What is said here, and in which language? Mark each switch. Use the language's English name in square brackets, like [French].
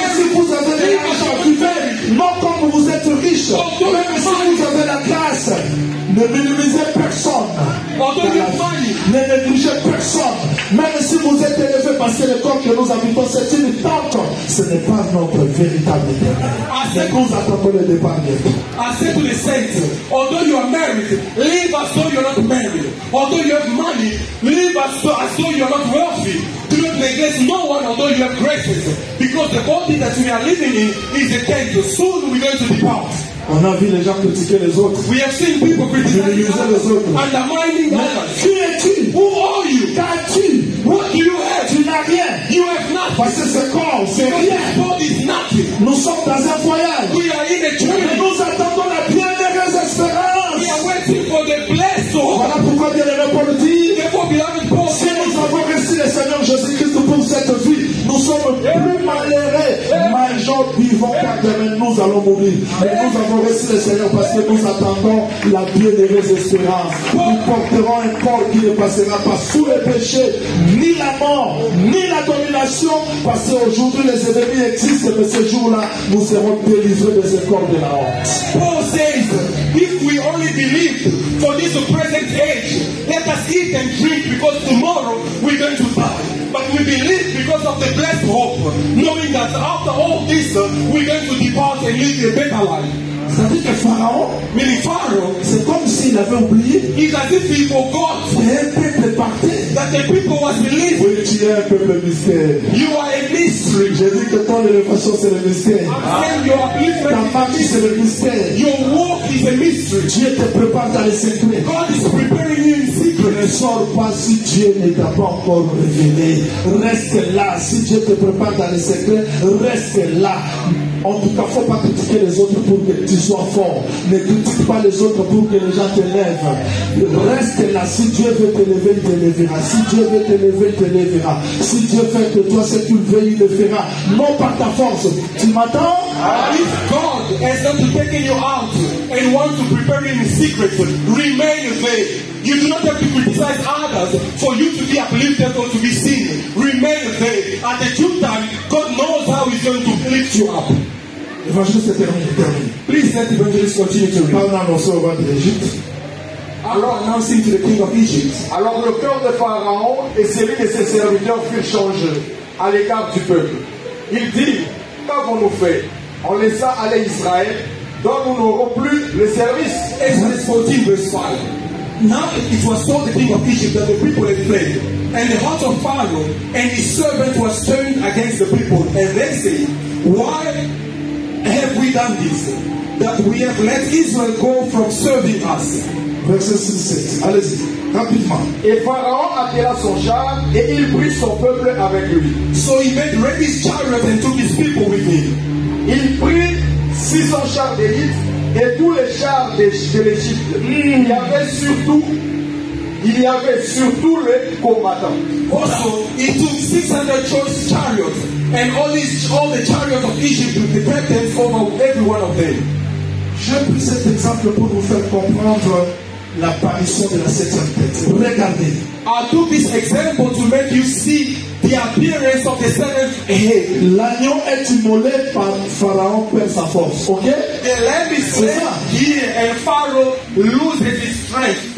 [French] si vous avez de l'argent, vivez non comme vous êtes riche. [English] Although [French] même si vous avez la classe, ne minimisez personne. [English] Although you have money, [French] Ne négligez personne. Même si vous êtes élevé parce que le corps que nous habitons, c'est une tente. Ce n'est pas notre véritable terre. Nous attendons le départ bientôt. [English] I said to the saints, although you are married, live as though you are not married. Although you have money, live as though you are not wealthy. Do not neglect no one although you have graces. Because the body that we are living in is a tent. Soon we are going to depart. [French] On a vu les gens critiquer les autres. [English] We have seen people criticizing others. And undermining others. Who are you? [French] Qu'as-tu? [English] What do you have? [French] Tu n'as rien. [English] You have nothing. [French] Parce que ce corps, c'est [English] because [French] rien. [English] This body is nothing. [French] Nous sommes dans un voyage. [English] We are in a journey. [French] Et nous attendons la bienheureuse espérance. [English] We are waiting for the blessed. [French] Voilà pourquoi Dieu le Paul dit. Si nous avons reçu le Seigneur Jésus-Christ pour cette vie, nous sommes plus malheureux. Mais gens vivant pas demain, nous allons mourir. Mais nous avons reçu le Seigneur parce que nous attendons la bienheureuse espérance. Nous porterons un corps qui ne passera pas sous le péché, ni la mort, ni la domination. Parce qu'aujourd'hui, les ennemis existent, mais ce jour-là, nous serons délivrés de ce corps de la honte. [English] Paul says, if we only believe for this present age, let us eat and drink because tomorrow we're going to die. But we believe because of the blessed hope, knowing that after all this, we're going to depart and live a better life. [French] C'est-à-dire que Pharaon, [English] meaning Pharaoh, [French] c'est comme s'il avait oublié. [English] It's as if he forgot. [French] Un peuple parti. [English] That the people was released. [French] Oui, tu es un peuple mystère. [English] You are a mystery. [French] J'ai dit que ton élévation c'est le mystère. Ta famille c'est le mystère. [English] Your walk is a mystery. [French] Dieu te prépare dans les secrets. [English] God is preparing you in secret. [French] Ne sors pas si Dieu ne t'a pas encore révélé. Reste là. Si Dieu te prépare dans les secrets, reste là. En tout cas, faut pas critiquer les autres pour que tu sois fort. Ne critique pas les autres pour que les gens t'élèvent. Reste là. Si Dieu veut t'élever, il t'élèvera. Si Dieu veut t'élever, il t'élèvera. Si Dieu fait de toi ce que tu veux, il le fera. Non par ta force. Tu m'entends? [English] If God has not taken you out and wants to prepare in secret, remain vague. You do not have to criticize others for you to be uplifted or to be seen. Remain vague. At the due time, God knows how he's going to lift you up. [French] L'évangile s'est terminé. [English] Please let the evangelist continue to read. [French] Parlons annoncé au roi de l'Égypte. [English] Alors, announcing to the king of Egypt. [French] Alors le cœur de Pharaon et celui de ses serviteurs furent changés à l'égard du peuple. Il dit, qu'avons-nous fait? On laissa aller Israël, dont nous n'aurons plus le service. [English] Exodus 14, verse 5. Now it was told the king of Egypt that the people had fled, and the heart of Pharaoh and his servant was turned against the people, and they say, why have we done this, that we have let Israel go from serving us? [French] Verset 6. Allez-y, rapidement. Et Pharaon attira son char et il prit son peuple avec lui. [English] So he made ready his chariot and took his people with him. [French] Il prit 600 chars d'élite et tous les chars de l'Égypte. Il y avait surtout les combattants. [English] Also, he took 600 choice chariots and all the chariots of Egypt with the captains over every one of them. [French] Je prends cet exemple pour vous faire comprendre l'apparition de la septième tête. Regardez. [English] I took this example to make you see the appearance of the seventh head. [French] L'agneau est immolé par Pharaon perd sa force. [English] Ok? The lamb is slain here and Pharaoh loses his strength.